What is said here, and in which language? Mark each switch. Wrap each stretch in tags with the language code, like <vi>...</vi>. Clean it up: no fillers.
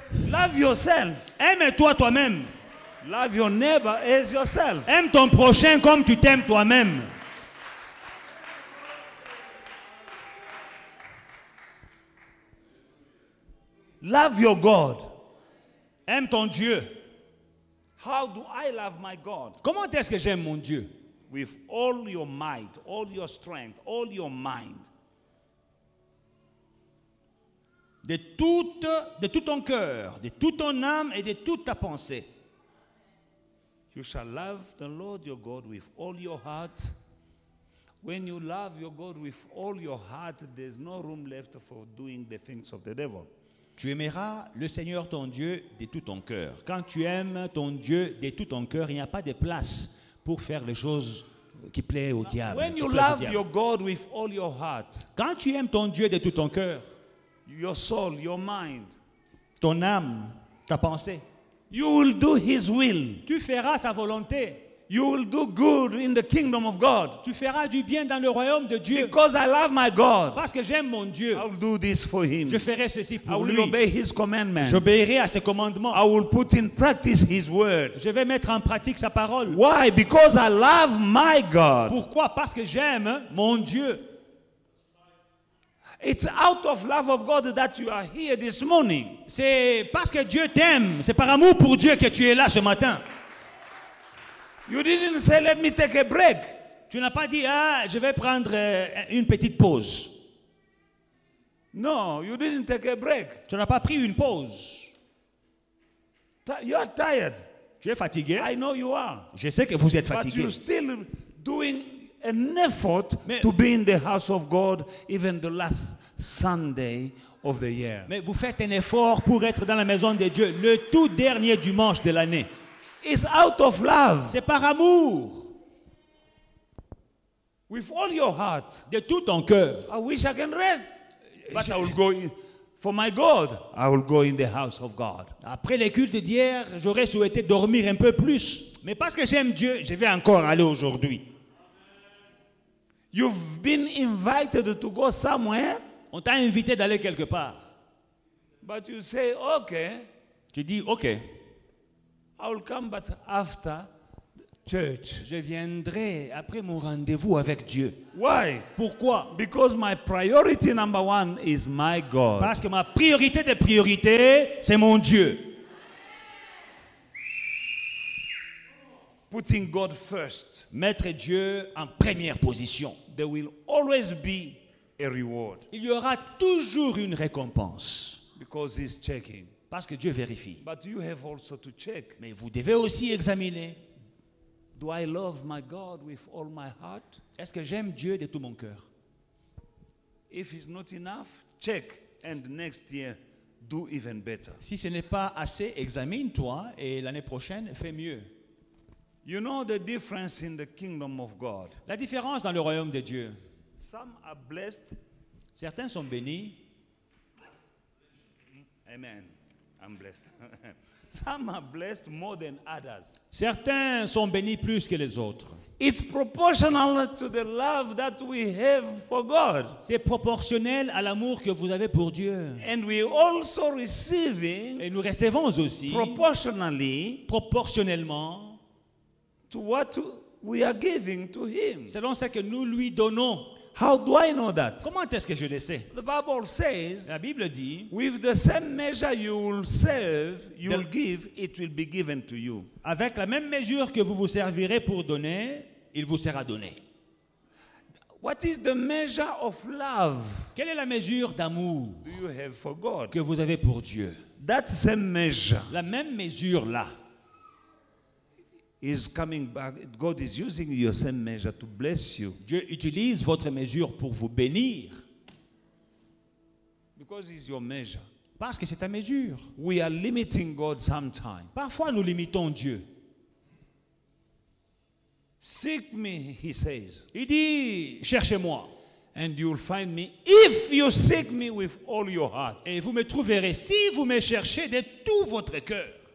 <en>Love yourself.</en> <fr>Aime-toi toi-même.</fr> <en>Love your neighbor as yourself.</en> <fr>Aime ton prochain comme tu t'aimes toi-même.</fr> <en>Love your God.</en> <fr>Aime ton Dieu.</fr> <en>How do I love my God?</en> <fr>Comment est-ce que j'aime mon Dieu?</fr> <en>With all your might, all your strength, all your mind.</en> <fr>De tout ton cœur, de toute ton âme et de toute ta pensée.</fr> <en>You shall love the Lord your God with all your heart. When you love your God with all your heart, there's no room left for doing the things of the devil.</en> <fr>Tu aimeras le Seigneur ton Dieu de tout ton cœur. Quand tu aimes ton Dieu de tout ton cœur, il n'y a pas de place pour faire les choses qui plaisent au diable.</fr> <en>When you love your God with all your heart,</en> <fr>quand tu aimes ton Dieu de tout ton cœur,</fr> <en>your soul, your mind,</en> <fr>ton âme, ta pensée,</fr> <en>you will do his will.</en> <fr>Tu feras sa volonté.</fr> <en>You will do good in the kingdom of God.</en> <fr>Tu feras du bien dans le royaume de Dieu.</fr> <en>Because I love my God.</en> <fr>Parce que j'aime mon Dieu.</fr> <en>I will do this for him.</en> <fr>Je ferai ceci pour</fr> <en>I will</en> <fr>lui.</fr> <en>Obey his commandments.</en> <fr>J'obéirai à ses commandements.</fr> <en>I will put in practice his word.</en> <fr>Je vais mettre en pratique sa parole.</fr> <en>Why? Because I love my God.</en> <fr>Pourquoi? Parce que j'aime mon Dieu.</fr> <en>It's out of love of God that you are here this morning.</en> <fr>C'est parce que Dieu t'aime. C'est par amour pour Dieu que tu es là ce matin.</fr> <en>You didn't say, let me take a break.</en> <fr>Tu n'as pas dit, ah, je vais prendre une petite pause.</fr> <en>No, you didn't take a break.</en> <fr>Tu n'as pas pris une pause.</fr> <en>You are tired.</en> <fr>Tu es fatigué.</fr> <en>I know you are.</en> <fr>Je sais que vous êtes fatigué.</fr> <en>But you're still doing an effort to be in the house of God even the last Sunday of the year.</en> <fr>Mais vous faites un effort pour être dans la maison de Dieu le tout dernier dimanche de l'année.</fr> <en>It's out of love.</en> <fr>C'est par amour.</fr> <en>With all your heart.</en> <fr>De tout ton cœur.</fr> <en>I wish I can rest. But I will go in, for my God. I will go in the house of God.</en> <fr>Après les cultes d'hier, j'aurais souhaité dormir un peu plus. Mais parce que j'aime Dieu, je vais encore aller aujourd'hui.</fr> <en>You've been invited to go somewhere.</en> <fr>On t'a invité d'aller quelque part.</fr> <en>But you say, okay.</en> <fr>Tu dis, ok.</fr> <en>I will come but after church.</en> <fr>Je viendrai après mon rendez-vous avec Dieu.</fr> <en>Why?</en> <fr>Pourquoi?</fr> <en>Because my priority number one is my God.</en> <fr>Parce que ma priorité des priorités, c'est mon Dieu.</fr> <en>Putting God first.</en> <fr>Mettre Dieu en première position.</fr> <en>There will always be a reward.</en> <fr>Il y aura toujours une récompense.</fr> <en>Because he's checking.</en> <fr>Parce que Dieu vérifie.</fr> <en>But you have also to check.</en> <fr>Mais vous devez aussi examiner.</fr> <en>Do I love my God with all my heart?</en> <fr>Est-ce que j'aime Dieu de tout mon cœur?</fr> <en>If it's not enough, check and next year do even better.</en> <fr>Si ce n'est pas assez, examine-toi et l'année prochaine fais mieux.</fr> <en>You know the difference in the kingdom of God.</en> <fr>La différence dans le royaume de Dieu.</fr> <en>Some are blessed.</en> <fr>Certains sont bénis.</fr> <en>Amen. I'm blessed. Some are blessed more than others.</en> <fr>Certains sont bénis plus que les autres.</fr> <en>It's proportional to the love that we have for God.</en> <fr>C'est proportionnel à l'amour que vous avez pour Dieu.</fr> <en>And we also receiving.</en> <fr>Et nous recevons aussi.</fr> <en>Proportionally.</en> <fr>Proportionnellement.</fr> <en>To what we are giving to Him.</en> <fr>Selon ce que nous lui donnons.</fr> <en>How do I know that?</en> <fr>Comment est-ce que je le sais?</fr> <en>The Bible says,</en> <fr>la Bible dit,</fr> <en>with the same measure you will serve, you will give, it will be given to you.</en> <fr>Avec la même mesure que vous vous servirez pour donner, il vous sera donné.</fr> <en>What is the measure of love?</en> <fr>Quelle est la mesure d'amour?</fr> <en>Do you have for God?</en> <fr>Que vous avez pour Dieu?</fr> <en>That same measure.</en> <fr>La même mesure là.</fr> <en>Is coming back. God is using your same measure to bless you.</en> <fr>Dieu utilise votre mesure pour vous bénir.</fr> <en>Because it's your measure.</en> <fr>Parce que c'est ta mesure.</fr> <en>We are limiting God sometimes.</en> <fr>Parfois nous limitons Dieu.</fr> <en>Seek me, he says.</en> <fr>Il dit, cherchez-moi.</fr> <en>And you'll find me if you seek me with all your heart.</en> <fr>Et vous me trouverez si vous me cherchez de tout votre cœur.</fr>